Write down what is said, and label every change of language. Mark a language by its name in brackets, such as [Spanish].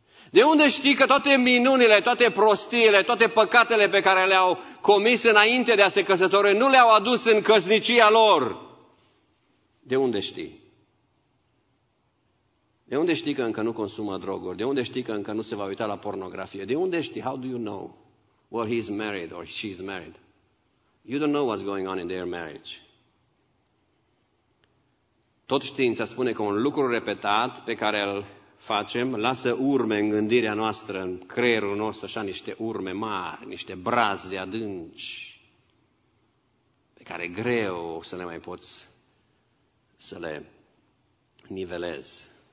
[Romanian] De unde știi că toate minunile, toate prostiile, toate păcatele pe care le-au comis înainte de a se căsători, nu le-au adus în căsnicia lor? De unde știi? De unde știi că încă nu consumă droguri? De unde știi că încă nu se va uita la pornografie? De unde știi? [English] How do you know? Well, he's married or she's married. You don't know what's going on in their marriage. [Romanian] Tot știința spune că un lucru repetat pe care îl facem lasă urme în gândirea noastră, în creierul nostru, așa niște urme mari, niște brazi de adânci pe care greu să le mai poți să le nivelezi.